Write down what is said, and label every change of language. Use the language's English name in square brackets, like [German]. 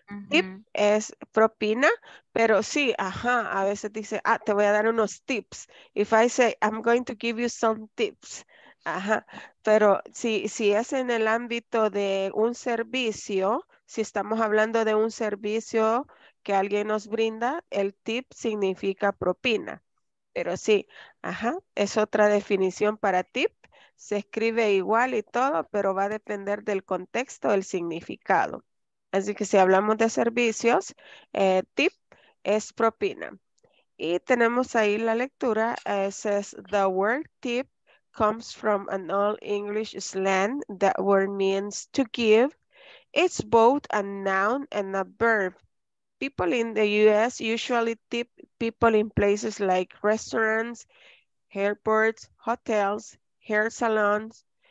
[Spanish] Tip es propina, pero sí, ajá, a veces dice, ah, te voy a dar unos tips. [English] If I say, I'm going to give you some tips. [Spanish] Ajá, pero si es en el ámbito de un servicio, si estamos hablando de un servicio que alguien nos brinda, el tip significa propina. Pero sí, ajá, es otra definición para tip. Se escribe igual y todo, pero va a depender del contexto, del significado. Así que si hablamos de servicios, tip es propina. Y tenemos ahí la lectura, [English] says the word tip comes from an old English slang that word means to give. It's both a noun and a verb. People in the US usually tip people in places like restaurants, airports, hotels, hair salons.